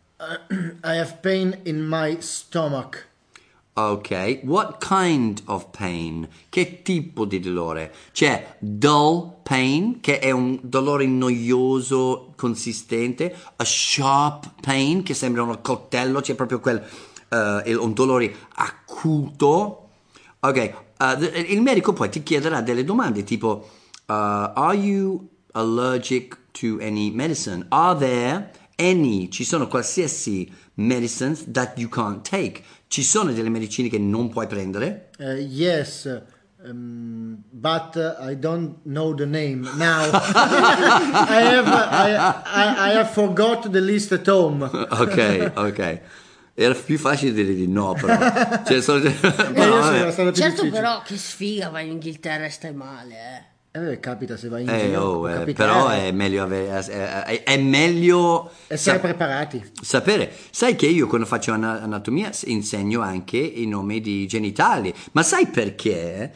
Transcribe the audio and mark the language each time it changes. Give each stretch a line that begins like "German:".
English: I have pain in my stomach. Okay. What kind of pain?
Italian: Che tipo di dolore? C'è
English: dull pain,
Italian: che è un dolore noioso, consistente.
English: A sharp pain,
Italian: che sembra un coltello. C'è proprio quel... un dolore acuto. Okay. Il medico poi ti chiederà delle domande, tipo...
English: are you allergic to any medicine? Are there any,
Italian: ci sono qualsiasi
English: medicines that you can't take?
Italian: Ci sono delle medicine che non puoi prendere?
English: Yes, but I don't know the name now. I have forgot the list at home. Okay.
Italian: Era più facile dire di no, però. Cioè, sono... no, io sono stato certo difficile. Però che sfiga, vai in Inghilterra e stai male, eh. Capita se vai in giro, però è meglio avere, è meglio essere preparati, sapere. Sai che io quando faccio anatomia insegno anche i nomi di genitali, ma sai perché?